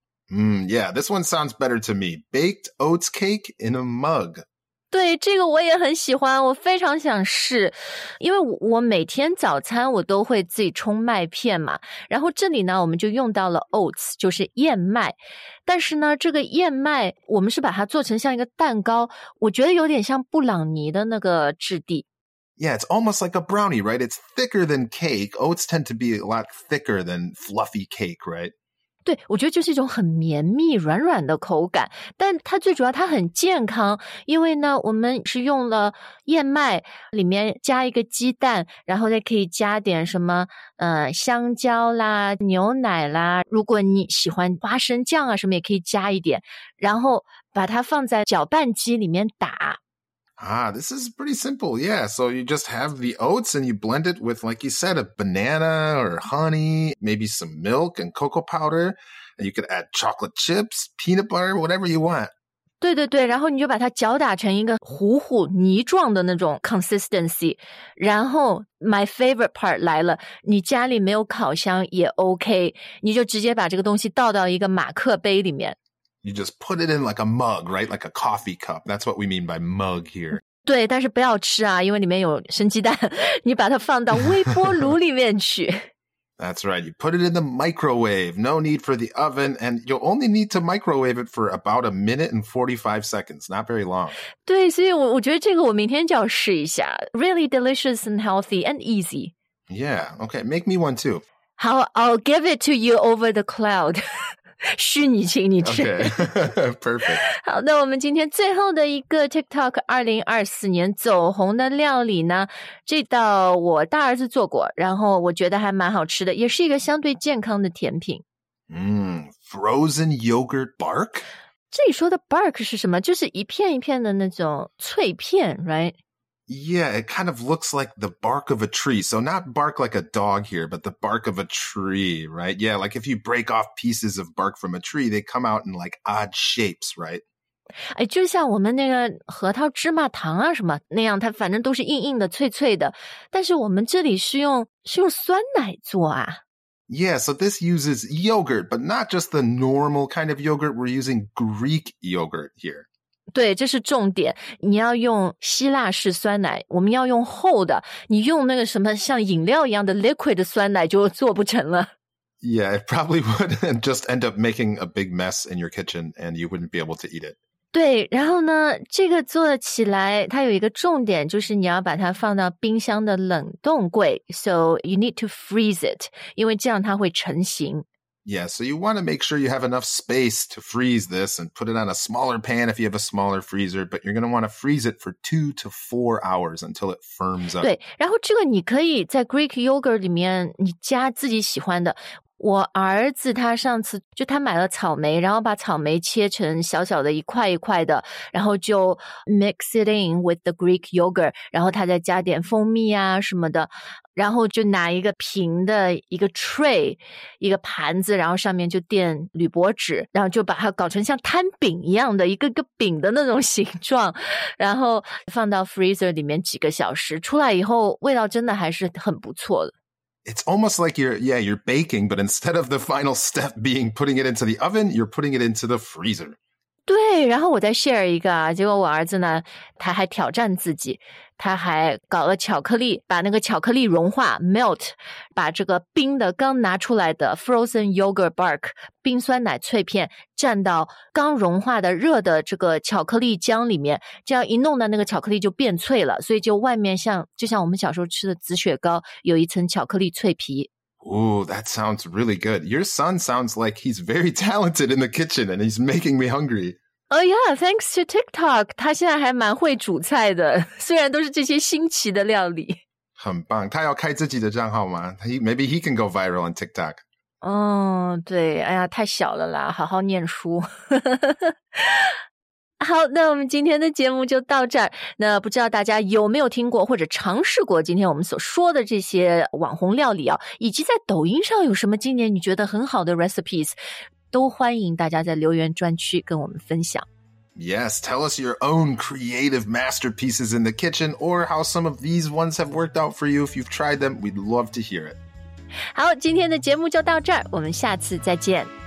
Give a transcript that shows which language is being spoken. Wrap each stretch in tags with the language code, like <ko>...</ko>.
<en>Yeah, this one sounds better to me. Baked oats cake in a mug.</en> <zh>对，这个我也很喜欢，我非常想试，因为 我每天早餐我都会自己冲麦片嘛，然后这里呢我们就用到了 oats, 就是燕麦，但是呢这个燕麦我们是把它做成像一个蛋糕，我觉得有点像布朗尼的那个质地。</zh> <en>Yeah, it's almost like a brownie, right? It's thicker than cake. Oats tend to be a lot thicker than fluffy cake, right?</en> <zh>对，我觉得就是一种很绵密软软的口感，但它最主要它很健康，因为呢我们是用了燕麦，里面加一个鸡蛋，然后再可以加点什么香蕉啦，牛奶啦，如果你喜欢花生酱啊什么也可以加一点，然后把它放在搅拌机里面打。</zh> <en>Ah, this is pretty simple. Yeah, so you just have the oats and you blend it with, like you said, a banana or honey, maybe some milk and cocoa powder. And you could add chocolate chips, peanut butter, whatever you want.</en> <zh>对对对，然后你就把它搅打成一个糊糊泥状的那种 consistency. 然后</zh> <en>my favorite part</en> <zh>来了，你家里没有烤箱也 OK, 你就直接把这个东西倒到一个马克杯里面。</zh> <en>You just put it in like a mug, right? Like a coffee cup. That's what we mean by mug here.</en> <zh>对，但是不要吃啊，因为里面有生鸡蛋。你把它放到微波炉里面去。</zh> <en>That's right. You put it in the microwave. No need for the oven. And you'll only need to microwave it for about a minute and 45 seconds. Not very long.</en> <zh>对，所以我觉得这个我明天就要试一下。</zh> <en>Really delicious and healthy and easy. Yeah. Okay. Make me one too. 好 I'll give it to you over the cloud.</en> <zh>虚拟请你吃</zh> <en>okay, perfect.</en> <zh>好那我们今天最后的一个 TikTok 2024年走红的料理呢这道我大儿子做过然后我觉得还蛮好吃的也是一个相对健康的甜品。</zh> <en>Frozen yogurt bark?</en> <zh>这里说的 bark 是什么就是一片一片的那种脆片</zh> <en>right? Yeah, it kind of looks like the bark of a tree. So not bark like a dog here, but the bark of a tree, right? Yeah, like if you break off pieces of bark from a tree, they come out in like odd shapes, right?</en> <zh>哎，就像我们那个核桃芝麻糖啊什么那样，它反正都是硬硬的、脆脆的。但是我们这里是用酸奶做啊。</zh> <en>Yeah, so this uses yogurt, but not just the normal kind of yogurt. We're using Greek yogurt here.</en> <zh>对这是重点你要用希腊式酸奶我们要用厚的你用那个什么像饮料一样的 liquid 酸奶就做不成了。</zh> <en>Yeah, it probably would just end up making a big mess in your kitchen and you wouldn't be able to eat it.</en> <zh>对然后呢这个做起来它有一个重点就是你要把它放到冰箱的冷冻柜</zh> <en>so you need to freeze it,</en> <zh>因为这样它会成型。</zh> <en>Yeah, so you want to make sure you have enough space to freeze this and put it on a smaller pan if you have a smaller freezer, but you're going to want to freeze it for 2 to 4 hours until it firms up.</en> <zh>对，然后这个你可以在 Greek yogurt 里面你加自己喜欢的。我儿子他上次就他买了草莓，然后把草莓切成小小的一块一块的，然后就</zh> <en>mix it in with the Greek yogurt,</en> <zh>然后他再加点蜂蜜啊什么的。然后就拿一个平的一个 tray, 一个盘子然后上面就垫铝箔纸然后就把它搞成像摊饼一样的一个个饼的那种形状然后放到 freezer 里面几个小时出来以后味道真的还是很不错的。</zh> <en>It's almost like you're baking, but instead of the final step being putting it into the oven, you're putting it into the freezer.</en> <zh>对然后我再 share 一个啊结果我儿子呢他还挑战自己他还搞了巧克力把那个巧克力融化 melt, 把这个冰的刚拿出来的 frozen yogurt bark, 冰酸奶脆片蘸到刚融化的热的这个巧克力浆里面这样一弄呢那个巧克力就变脆了所以就外面就像我们小时候吃的紫雪糕有一层巧克力脆皮。</zh> <en>Ooh, that sounds really good. Your son sounds like he's very talented in the kitchen and he's making me hungry. Oh yeah, thanks to TikTok.</en> <zh>他现在还蛮会煮菜的虽然都是这些新奇的料理。很棒他要开自己的账号吗</zh> <en>Maybe he can go viral on TikTok.</en> <zh>哦、对哎呀太小了啦好好念书。好那我们今天的节目就到这儿。那不知道大家有没有听过或者尝试过今天我们所说的这些网红料理啊以及在抖音上有什么今年你觉得很好的 recipes, 都欢迎大家在留言专区跟我们分享。</zh> <en>Yes, tell us your own creative masterpieces in the kitchen or how some of these ones have worked out for you. If you've tried them, we'd love to hear it.</en> <zh>好今天的节目就到这儿我们下次再见。</zh>